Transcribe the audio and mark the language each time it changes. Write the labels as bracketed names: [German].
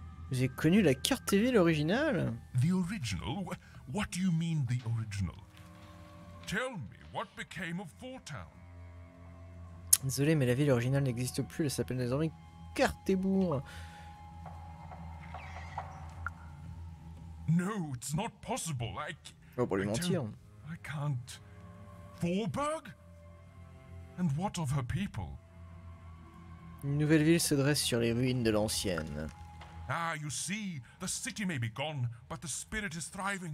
[French] J'ai connu la carte TV originale. [English] The original? What do you mean, the original? Tell me, what became of Fortown? [French] Désolé, mais la ville originale n'existe plus. Elle s'appelle désormais Cartebourg. [English] No, it's not possible. I [French] oh, pour lui mentir. [English] I can't. Forberg? And what of her people? [French] Une nouvelle ville se dresse sur les ruines de l'ancienne. [English] Ah, you see, the city may be gone, but the spirit is thriving.